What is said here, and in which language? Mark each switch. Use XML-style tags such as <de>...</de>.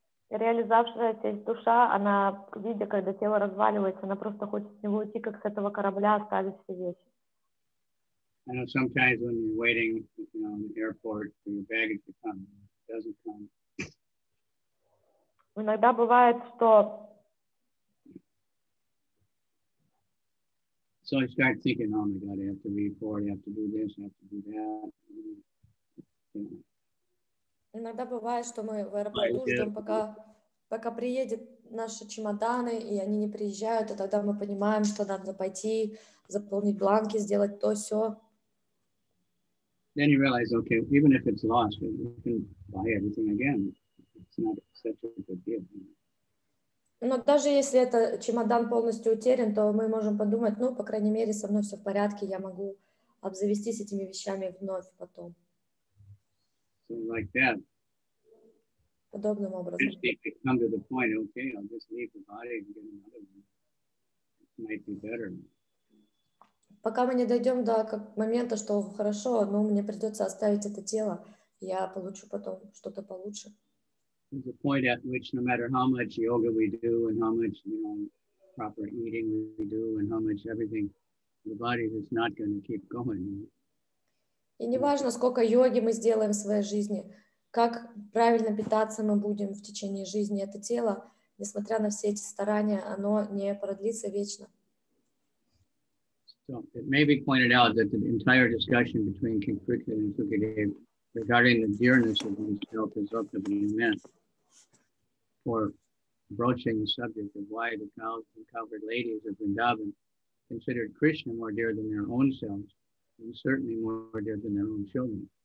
<ru>реализовавшаяся душа, она, видя, когда тело разваливается, она просто хочет с него уйти, как с этого корабля, оставить все вещи.</ru> <en>I know sometimes when you're waiting, in the airport for your baggage to come, it doesn't come.</en> <ru>Иногда бывает, что...</ru> <en>So I start thinking, oh my God, I have to report, I have to do this, I have to do that.</en> <ru>Иногда бывает, что мы в аэропорту ждем, пока приедет наши чемоданы, и они не приезжают, и тогда мы понимаем, что надо пойти, заполнить бланки, сделать то, все.</ru> <en>Then you realize, okay, even if it's lost, you can buy everything again. It's not such a good deal.</en> <ru>Но даже если это чемодан полностью утерян, то мы можем подумать, по крайней мере, со мной все в порядке, я могу обзавестись этими вещами вновь потом.</ru> <en>So like that.</en> <ru>Подобным образом.</ru> <en>Come to the point, okay, I'll just leave the body and get another one. It might be better.</en> <ru>Пока мы не дойдем до момента, что хорошо, но мне придется оставить это тело, я получу потом что-то получше.</ru> <en>There's a point at which no matter how much yoga we do and how much proper eating we do and how much everything, the body is not going to keep going.</en> <ru>И неважно, сколько йоги мы сделаем в своей жизни, как правильно питаться мы будем в течение жизни, это тело, несмотря на все эти старания, оно не продлится вечно.</ru> <en>So it may be pointed out that the entire discussion between King Prithviraj and Sukadev regarding the dearness of oneself is relatively immense. For broaching the subject of why the cows and cowherd ladies of Vrindavan considered Krishna more dear than their own selves, and certainly more dear than their own children.</en>